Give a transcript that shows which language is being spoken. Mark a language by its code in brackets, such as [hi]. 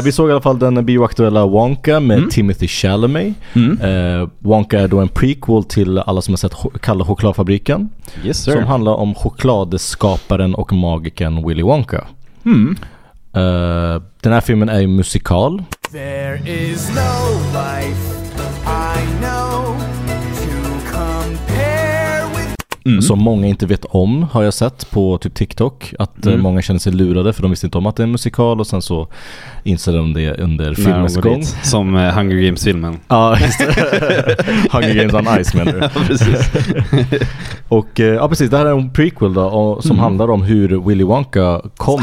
[sv] Vi såg i alla fall den bioaktuella Wonka med Timothy Chalamet. Wonka är då en prequel till alla som har sett Kalle chokladfabriken. [en] Yes, sir. [sv] Som handlar om chokladskaparen och magiken Willy Wonka. Den här filmen är ju musikal. [en] There is no life I know to compare with. [sv] Som många inte vet om har jag sett på typ TikTok. Att många känner sig lurade för de visste inte om att det är en musikal. Och sen så inser de det under filmens gång. Som Hunger Games-filmen. Ja, just det. Hunger Games on Ice menar du. Ja, precis. Och ja, precis, det här är en prequel då, och, som handlar om hur Willy Wonka kom.